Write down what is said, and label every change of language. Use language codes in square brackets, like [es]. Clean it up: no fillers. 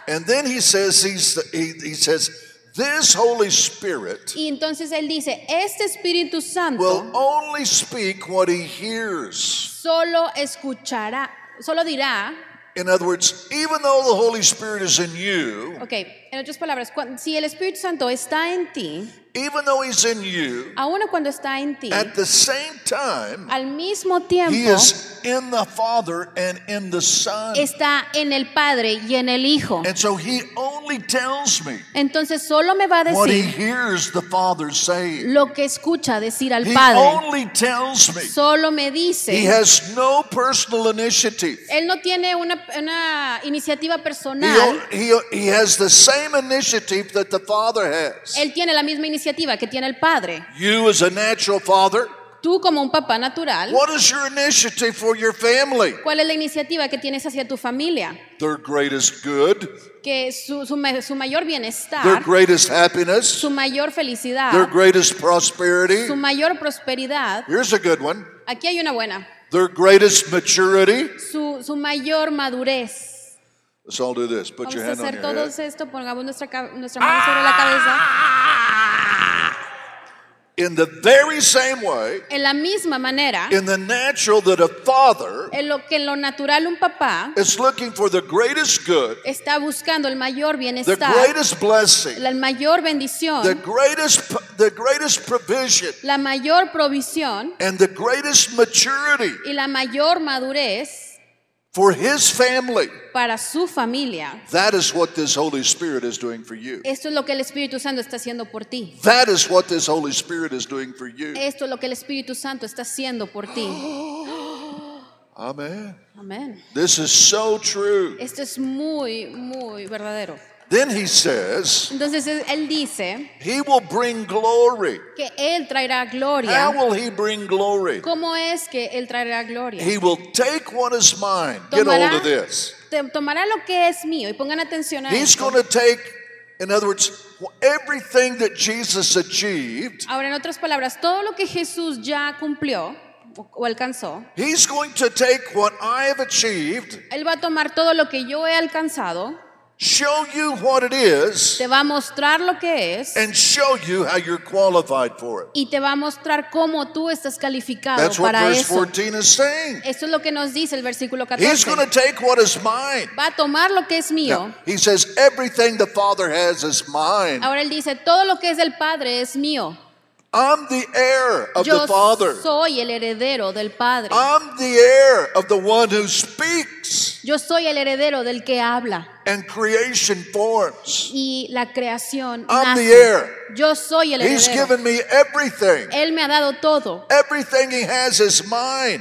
[en] And then he says, he says this Holy Spirit, [es] y entonces él dice, este Espíritu Santo, [en] will only speak what he hears. [es] Solo escuchará, solo dirá. [en] In other words, even though the Holy Spirit is in you, [es] okay, en otras palabras, si el Espíritu Santo está en ti, [en] even though he's in you, [es] aun cuando está en ti, [en] at the same time, [es] al mismo tiempo, [en] he is in the Father and in the Son. [es] Está en el Padre y en el Hijo. [en] And so he only tells me, [es] entonces solo me va a decir, [en] what he hears the Father saying. [es] Lo que escucha decir al [en] he [es] Padre. [en] He only tells me. [es] Solo me dice. [en] He has no personal initiative. [es] Él no tiene una iniciativa personal. [en] He has the same initiative that the Father has. [es] Él tiene la misma iniciativa que tiene el Padre. [en] You as a natural father, [es] tú como un papá natural, [en] what is your initiative for your family? [es] ¿Cuál es la iniciativa que tienes hacia tu familia? [en] Their greatest good, [es] que su mayor bienestar, [en] their greatest happiness, [es] su mayor felicidad, [en] their greatest prosperity, [es] su mayor prosperidad. [en] Here's a good one. [es] Aquí hay una buena. [en] Their greatest maturity, [es] su mayor madurez. [en] Let's all do this. Put [es] vamos [en] your hand on your head. [es] Vamos a hacer todos esto. Pongamos nuestra mano sobre la cabeza. [en] In the very same way, [es] en la misma manera, [en] in the natural that a father, [es] en lo natural un papá, [en] is looking for the greatest good, [es] está buscando el mayor bienestar, [en] the greatest blessing, [es] la mayor bendición, [en] the greatest provision, [es] la mayor provisión, [en] and the greatest maturity, [es] y la mayor madurez, [en] for his family. [es] Para su familia. [en] That is what this Holy Spirit is doing for you. [es] Esto es lo que el Espíritu Santo está haciendo por ti. [en] That is what this Holy Spirit is doing for you. [es] Esto es lo que el Espíritu Santo está haciendo por ti. [en] Amen. [es] Amen. [en] This is so true. [es] Esto es muy, muy verdadero. [en] Then he says, [es] entonces, él dice, [en] he will bring glory. [es] Que él traerá gloria. [en] How will he bring glory? [es] ¿Cómo es que él traerá gloria? [en] He will take what is mine. [es] Tomará, [en] get hold of this. [es] Tomará lo que es mío. Y pongan atención a [en] he's [es] esto. [en] Going to take, in other words, everything that Jesus achieved. [es] Ahora, en otras palabras, todo lo que Jesús ya cumplió o alcanzó, [en] he's going to take what I have achieved. [es] Él va a tomar todo lo que yo he alcanzado. [en] show you what it is. [es] Te va a mostrar lo que es. [en] And show you how you're qualified for it. [es] Y te va a mostrar cómo tú estás calificado para eso. [en] what verse 14 is saying. [es] Eso es lo que nos dice el versículo 14. [en] He's going to take what is mine. [es] Va a tomar lo que es mío. [en] Now, he says everything the Father has is mine. [es] Ahora él dice todo lo que es del Padre es mío. [en] I'm the heir of the Father. [es] Yo soy el heredero del Padre. [en] I'm the heir of the one who speaks. [es] Yo soy el heredero del que habla. [en] And creation forms. [es] Y la creación [en] I'm [es] nace. [en] The heir. [es] Yo soy el heredero. [en] He's given me everything. [es] Él me ha dado todo. [en] Everything he has is mine.